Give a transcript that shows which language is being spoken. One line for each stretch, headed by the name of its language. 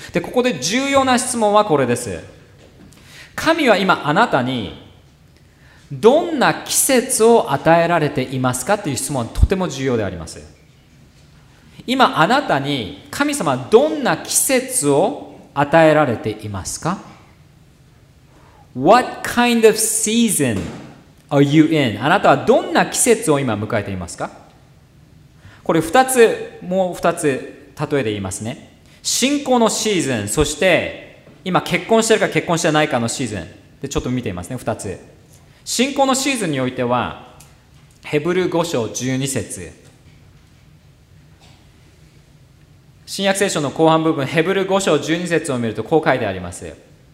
Japanese: で、ここで重要な質問はこれです。神は今あなたにどんな季節を与えられていますかという質問はとても重要であります。今あなたに神様はどんな季節を与えられていますか？
English: What kind of season are you in?
Japanese: あなたはどんな季節を今迎えていますか？これ2つ、もう2つ例えで言いますね。信仰のシーズン、そして今結婚してるか結婚してないかのシーズンでちょっと見ていますね。 2つ、信仰のシーズンにおいてはヘブル5章12節、新約聖書の後半部分ヘブル5章12節を見るとこう書いてあります。